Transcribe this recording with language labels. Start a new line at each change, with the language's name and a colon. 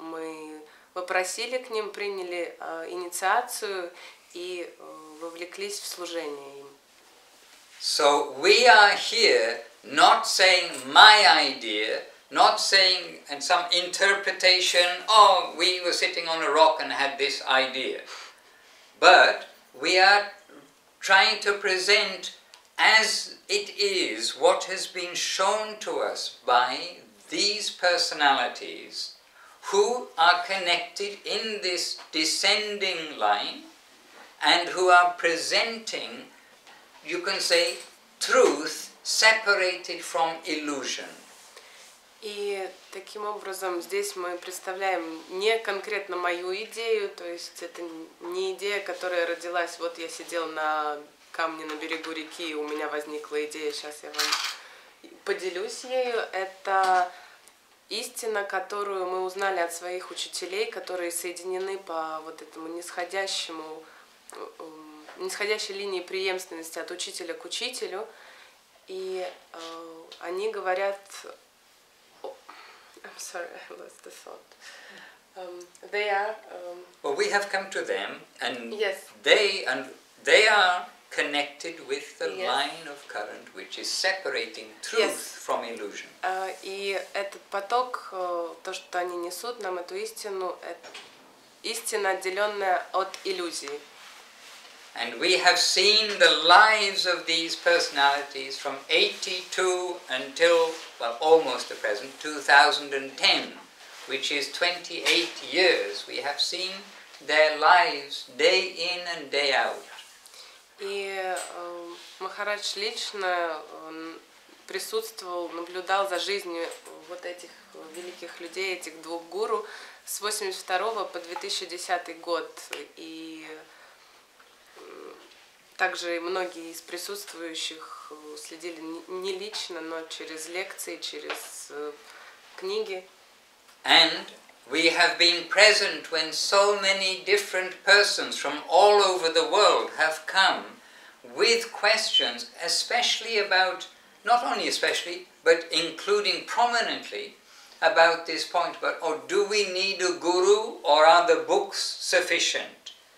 Russian: Мы попросили к ним, приняли инициацию и вовлеклись в служение им.
English: So we are here not saying my idea, not saying and some interpretation, oh, we were sitting on a rock and had this idea. But we are trying to present as it is what has been shown to us by these personalities who are connected in this descending line and who are presenting, you can say, truth separated from illusion.
Russian: И таким образом здесь мы представляем не конкретно мою идею, то есть это не идея, которая родилась, вот я сидел на камне на берегу реки, у меня возникла идея, сейчас я вам поделюсь ею. Это истина, которую мы узнали от своих учителей, которые соединены по вот этому нисходящей линии преемственности от учителя к учителю. И они говорят...
English: I'm sorry, I lost the thought. they are. Well, we have come to them, and yes. they are connected with the yes. line of current which is separating truth yes. from illusion.
Russian: И этот поток, то что они несут нам эту истину, это истина, отделенная от иллюзии.
English: And we have seen the lives of these personalities from 82 until, well, almost the present, 2010, which is 28 years. We have seen their lives day in and day out.
Russian: И Махарадж лично присутствовал, наблюдал за жизнью вот этих великих людей, этих двух гуру, с 82 по 2010 год. И также и многие из присутствующих следили не лично, но через лекции, через книги.
English: And we have been present when so many different persons from all over the world have come with questions, especially about, not only especially, but including prominently about this point, but oh, do we need a guru or are the books sufficient?